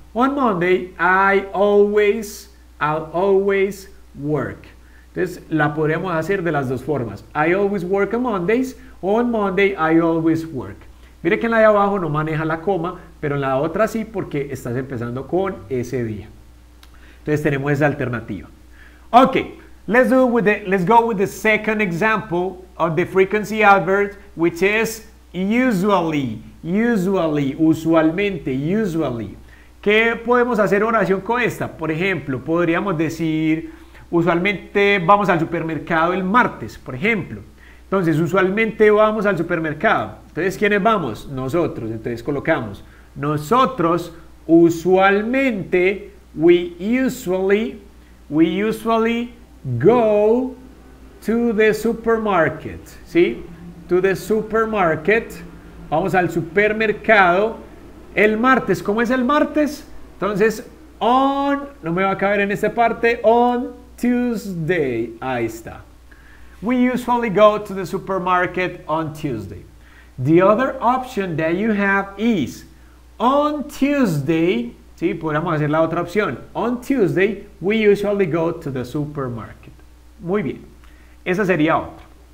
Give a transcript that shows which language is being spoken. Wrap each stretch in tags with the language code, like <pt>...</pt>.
<en>On Monday, I'll always work.</en> <es>Entonces, la podríamos hacer de las dos formas. I always work on Mondays. On Monday, I always work. Mire que en la de abajo no maneja la coma, pero en la otra sí, porque estás empezando con ese día. Entonces, tenemos esa alternativa.</es> <en>Ok, let's go with the second example of the frequency adverb, which is usually.</en> <es>¿Qué podemos hacer oración con esta? Por ejemplo, podríamos decir, usualmente vamos al supermercado el martes, por ejemplo. Entonces, usualmente vamos al supermercado. Entonces, ¿quiénes vamos? Nosotros. Entonces, colocamos, nosotros usualmente, we usually go to the supermarket, ¿sí? To the supermarket, vamos al supermercado el martes. ¿Cómo es el martes? Entonces, on, no me va a caber en esta parte, on Tuesday, ahí está.</es> <en>We usually go to the supermarket on Tuesday. The other option that you have is, on Tuesday, sí, podríamos hacer la otra opción, on Tuesday, we usually go to the supermarket.</en> <es>Muy bien, esa sería otra.</es>